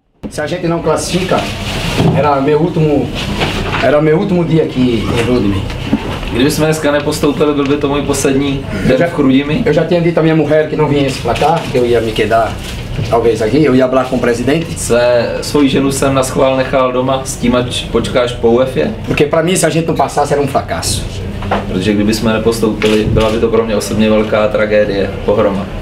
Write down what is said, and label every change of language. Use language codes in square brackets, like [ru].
[pt] Se a gente não classifica, era meu último dia aqui em Rudimi. [cs] Kdyby jsme dneska nepostoupili, byl by to můj poslední den v Rudimi. [pt] Eu já tinha dito a minha mulher que não vinha se platar, que eu ia me quedar talvez aqui, eu ia hablar com o presidente. [cs] Svoji ženu jsem na schvál nechal doma s tím, ať počkáš po UEFě. [pt] Porque para mim, se a gente não passasse, era um fracasso. [cs] Protože kdyby jsme nepostoupili, byla by to pro mě osobně velká tragédie, pohroma.